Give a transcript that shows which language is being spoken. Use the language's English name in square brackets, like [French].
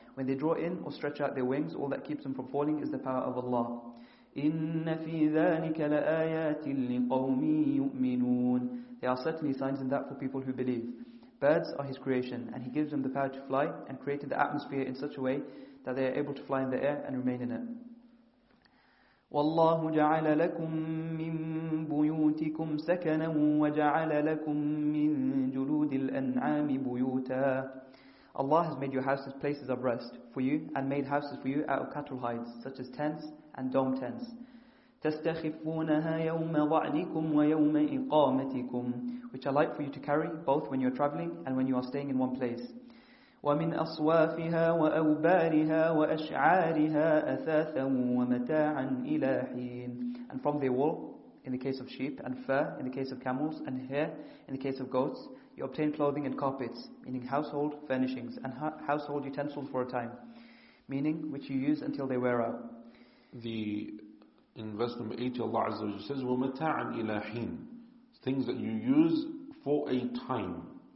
[English] When they draw in or stretch out their wings, all that keeps them from falling is the power of Allah. [Arabic] إِنَّ فِي ذَٰلِكَ لَآيَاتٍ لِقَوْمٍ يُؤْمِنُونَ. [English] There are certainly signs in that for people who believe. Birds are His creation, and He gives them the power to fly, and created the atmosphere in such a way that they are able to fly in the air and remain in it. [Arabic] والله جعل لكم من بيوتكم سكنا وجعل لكم من جلود الأنعام بيوتا. [English] Allah has made your houses places of rest for you and made houses for you out of cattle hides such as tents and dome tents. [Arabic] تستخفونها يوم ضعنكم ويوم إقامتكم, [English] which are light for you to carry both when you are traveling and when you are staying in one place. [Arabic] ومن أصوافها وأوبارها وأشعارها أثاثا ومتاعا إلى حين. [English] And from their wool, in the case of sheep, and fur, in the case of camels, and hair, in the case of goats, you obtain clothing and carpets, meaning household furnishings, and household utensils for a time, meaning which you use until they wear out. In verse number 80, Allah Azza wa Jalla says, [Arabic] ومتاعا إلى حين, [English] things that you use for a time.